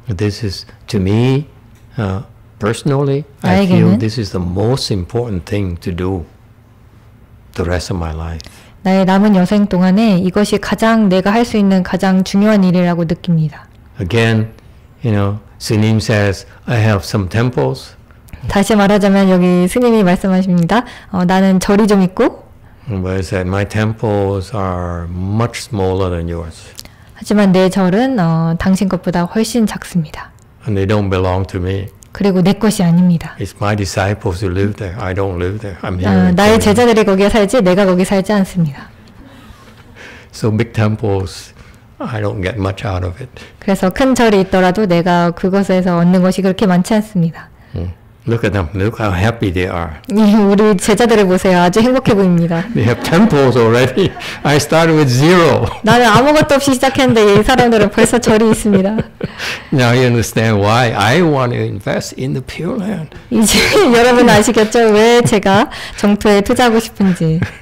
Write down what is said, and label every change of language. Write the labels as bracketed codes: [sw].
[en] This is to me personally. I feel this is the most important thing to do the rest of my life. [ko] 나의 남은 여생 동안에 이것이 가장 내가 할 수 있는 가장 중요한 일이라고 느낍니다. [en] Again, you know, Sunim says I have some temples. [ko] 다시 말하자면 여기 스님이 말씀하십니다. 나는 절이 좀 있고. [en] But it's that my temples are much smaller than yours. [ko] 하지만 내 절은 당신 것보다 훨씬 작습니다. [en] And they don't belong to me. [ko] 그리고 내 것이 아닙니다. [en] It's my disciples who live there. I don't live there. I'm here. [ko] 나의 제자들이 거기에 살지 내가 거기 살지 않습니다. [en] So big temples, I don't get much out of it. [ko] 그래서 큰 절이 있더라도 내가 그곳에서 얻는 것이 그렇게 많지 않습니다. [en] Look at them. Look how happy they are. [ko] 우리 제자들을 보세요. 아주 행복해 보입니다. [en] They have temples already. I started with zero. [ko] 나는 아무것도 없이 시작했는데 이 사람들은 벌써 절이 있습니다. [en] Now you understand why I want to invest in the Pure Land. [ko] 이제 여러분 아시겠죠? 왜 제가 정토에 투자하고 싶은지.